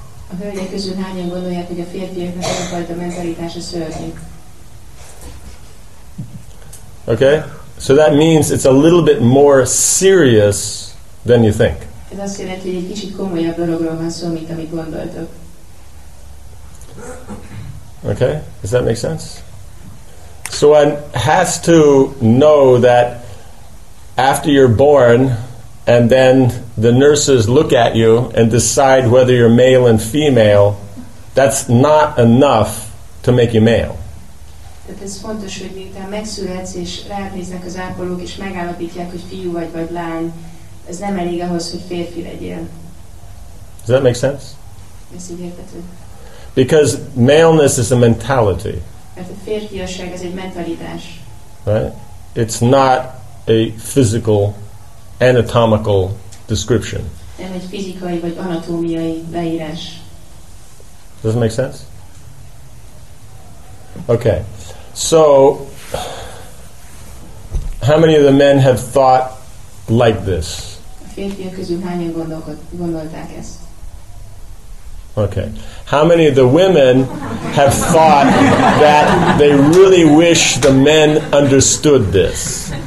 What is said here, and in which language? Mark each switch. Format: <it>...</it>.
<hu>A hölgyek közül hányan gondolják, hogy a férfiaknak ez a fajta mentalitása szörnyű?</hu> <en>Okay? So that means it's a little bit more serious than you think.</en> <hu>Ez azt jelenti, hogy egy kicsit komolyabb dologról van szó, mint amit gondoltok.</hu> <en>Okay? Does that make sense? So one has to know that after you're born, and then the nurses look at you and decide whether you're male and female, that's not enough to make you male.</en> <hu>Tehát ez fontos, hogy miután megszületsz, és ránéznek az ápolók, és megállapítják, hogy fiú vagy, vagy lány, ez nem elég ahhoz, hogy férfi legyél.</hu> <en>Does that make sense?</en> <hu>Ez így érthető.</hu> <en>Because maleness is a mentality.</en> <hu>Mert a férfiasság ez egy mentalitás.</hu> <en>Right? It's not a physical anatomical description.</en> <hu>Nem egy fizikai vagy anatómiai leírás.</hu> <en>Does it make sense? Okay. So, how many of the men have thought like this?</en> <hu>A férfiak közül hányan gondolták ezt?</hu> <en>Okay. How many of the women have thought that they really wish the men understood this?</en>